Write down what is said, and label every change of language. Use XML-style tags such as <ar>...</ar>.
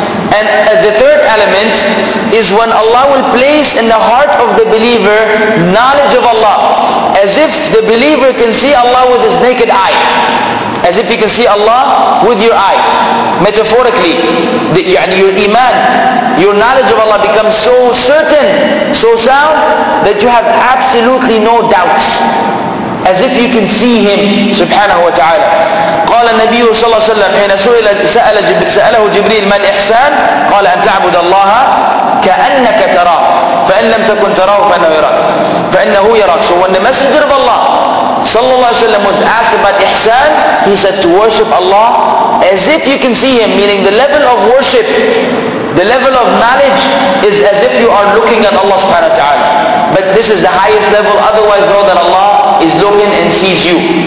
<en>And the third element is when Allah will place in the heart of the believer knowledge of Allah, as if the believer can see Allah with his naked eye. As if you can see Allah with your eye. Metaphorically, your iman, your knowledge of Allah becomes so certain, so sound, that you have absolutely no doubts. As if you can see Him, subhanahu wa ta'ala.</en> <ar>قال النبي صلى الله عليه وسلم حين سأله جبريل ما الإحسان؟ قال أن تعبد الله كأنك تراه فإن لم تكن تراه فإنه يراك.</ar> <en>So when the messenger of Allah</en> <ar>صلى الله عليه وسلم</ar> <en>was asked about إحسان, he said to worship Allah as if you can see Him, meaning the level of worship, the level of knowledge is as if you are looking at Allah subhanahu wa ta'ala. But this is the highest level, otherwise know that Allah is looking and sees you.</en>